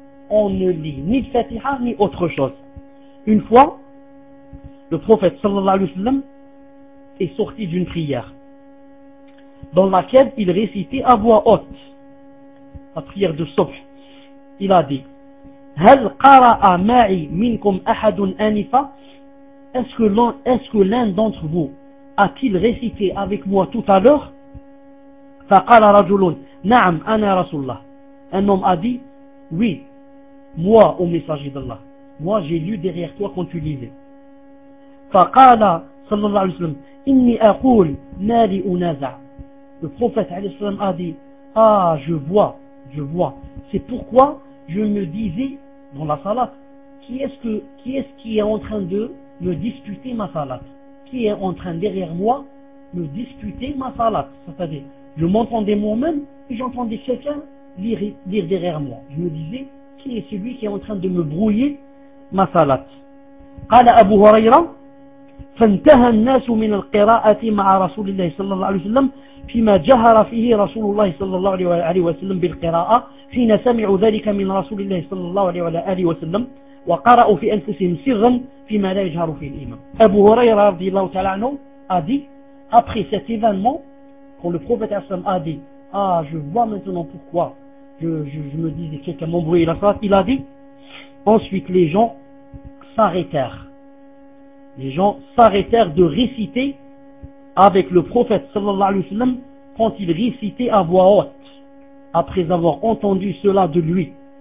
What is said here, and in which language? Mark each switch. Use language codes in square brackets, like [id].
[fr] On ne lit ni le Fatiha ni autre chose. Une fois, le prophète sallallahu alayhi wa sallam est sorti d'une prière dans laquelle il récitait à voix haute la prière de Subh. Il a dit: [ar] هل قرأ معي منكم أحد آنفا؟ [fr] Est-ce que l'un d'entre vous a-t-il récité avec moi tout à l'heure? [ar] فقال رجل نعم أنا رسول الله. [fr] Un homme a dit: oui, moi, au messager d'Allah. Moi, j'ai lu derrière toi quand tu lisais. [ar] فقال صلى الله عليه وسلم إني أقول ما لي أنازع. [fr] Le prophète [ar] عليه السلام [fr] a dit: ah, je vois. C'est pourquoi je me disais dans la salat, qui est-ce qui est en train de me disputer ma salat? Qui est en train derrière moi me disputer ma salat? C'est-à-dire, je m'entendais moi-même et j'entendais quelqu'un lire derrière moi. Je me disais, qui est celui qui est en train de me brouiller ma salat? [ar] قال أبو هريرة فانتهى الناس من القراءة مع رسول الله صلى الله عليه وسلم فيما جهر فيه رسول الله صلى الله عليه وسلم بالقراءة حين سمعوا ذلك من رسول الله صلى الله عليه وسلم وقرأوا في أنفسهم سرا فيما لا يجهر فيه الإمام. [fr] أبو هريرة [ar] رضي الله تعالى عنه [fr] a dit, après cet événement, quand le prophète Hassan a dit, ah, je vois maintenant pourquoi je me dis que quelqu'un m'embrouille la salat, il a dit, ensuite les gens s'arrêtèrent. Les gens s'arrêtèrent de réciter avec le prophète sallallahu alayhi wa sallam quand il récitait à voix haute, après avoir entendu cela de lui.